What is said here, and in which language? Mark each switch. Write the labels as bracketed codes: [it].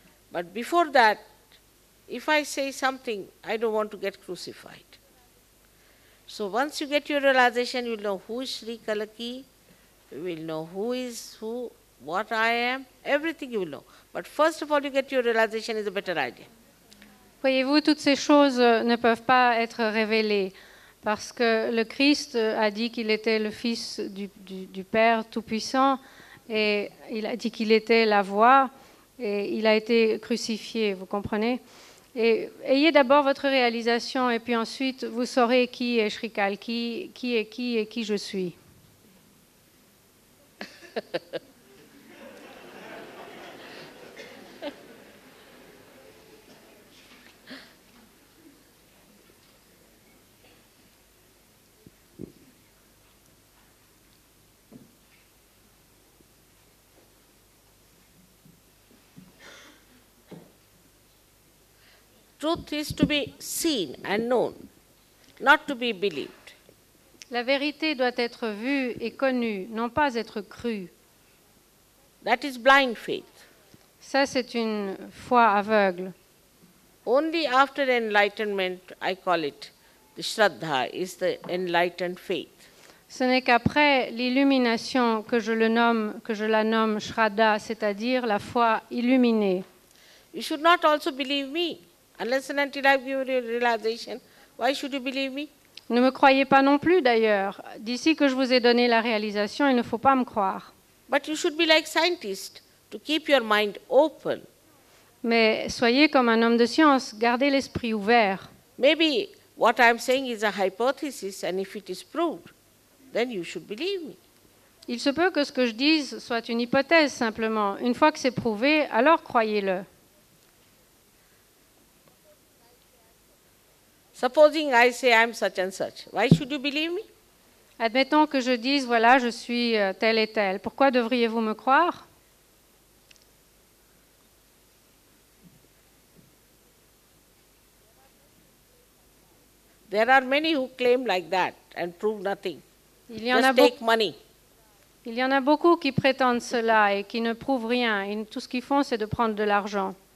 [en] But before that, if I say something, I don't want to get crucified. So once you get your realization, you'll know who is Sri Kalki, you will know who is who, what I am, everything you will know. But first of all, you get your realization is a better idea. [fr] Voyez-vous, toutes ces choses ne peuvent pas être révélées parce que le Christ a dit qu'il était le Fils du Père Tout-Puissant et il a dit qu'il était la Voix et il a été crucifié, vous comprenez? Et ayez d'abord votre réalisation et puis ensuite vous saurez qui est Sri Kalki, qui est qui et qui je suis. [en] Truth is to be seen and known, not to be believed. [fr] La vérité doit être vue et connue, non pas être crue. [en] That is blind faith. [fr] Ça, c'est une foi aveugle. [en] Only after enlightenment, I call it, the Shraddha is the enlightened faith. [fr] Ce n'est qu'après l'illumination que je la nomme Shraddha, c'est-à-dire la foi illuminée. [en] You should not also believe me. Unless and until I give you realization, why should you believe me? [fr] Ne me croyez pas non plus d'ailleurs. D'ici que je vous ai donné la réalisation, il ne faut pas me croire. [en] But you should be like scientist to keep your mind open. [fr] Mais soyez comme un homme de science, gardez l'esprit ouvert. [en] Maybe what I'm saying is a hypothesis, and if it is proved, then you should believe me. [fr] Il se peut que ce que je dise soit une hypothèse simplement. Une fois que c'est prouvé, alors croyez-le. [en] Supposing I say I'm such and such, why should you believe me? [fr] Admettons que je dise voilà, je suis tel et tel. Pourquoi devriez-vous me croire? [en] There are many who claim like that and prove nothing. [fr] Il y en [en] Just a take money. [fr] Il y en a beaucoup qui prétendent cela et qui ne prouvent rien. Et tout ce qu'ils font, c'est de prendre de l'argent.